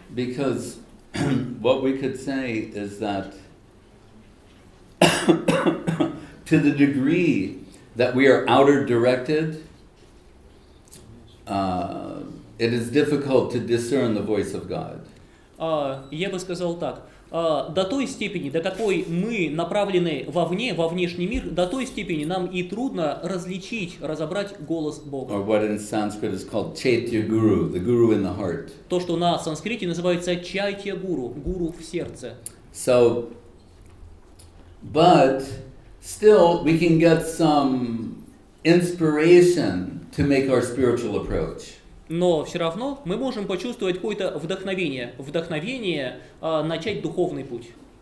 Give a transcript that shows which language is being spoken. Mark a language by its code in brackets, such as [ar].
[en] Because what we could say is that to the degree that we are outer directed, it is difficult to discern the voice of God. [ru] Я бы сказал так. До той степени, до какой мы направлены вовне, во внешний мир, до той степени нам и трудно различить, разобрать голос Бога. [en] Or what in Sanskrit is called Chaitya Guru, the guru in the heart. [ru] То, что на санскрите называется Chaitya Guru, гуру в сердце. [en] So, but still we can get some inspiration to make our spiritual approach. [ru] Но все равно мы можем почувствовать какое-то вдохновение. Вдохновение начать духовный путь.